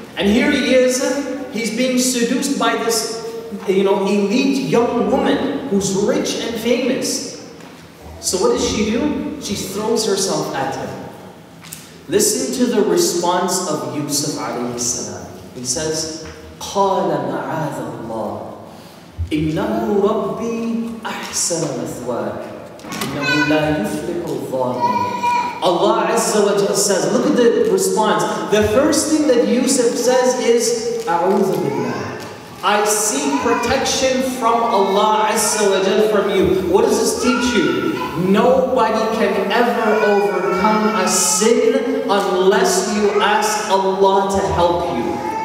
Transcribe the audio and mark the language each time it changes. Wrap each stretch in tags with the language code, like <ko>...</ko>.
<en>And here he is, he's being seduced by this, you know, elite young woman who's rich and famous. So what does she do? She throws herself at him. Listen to the response of Yusuf alayhi salam. He says,</en> <ar>قَالَ مَعَاذَ اللَّهِ إِنَّهُ رَبِّي أَحْسَنَ مَثْوَاكِ إِنَّهُ لَا يُفْلِحُ الظَّالِمِينَ.</ar> <en>Allah Azza wa Jalla says, look at the response. The first thing that Yusuf says is,</en> <ar>أَعُوذُ بِاللَّهِ.</ar> <en>I seek protection from Allah Azza wa Jalla from you. What does this teach you? Nobody can ever overcome a sin unless you ask Allah to help you.</en>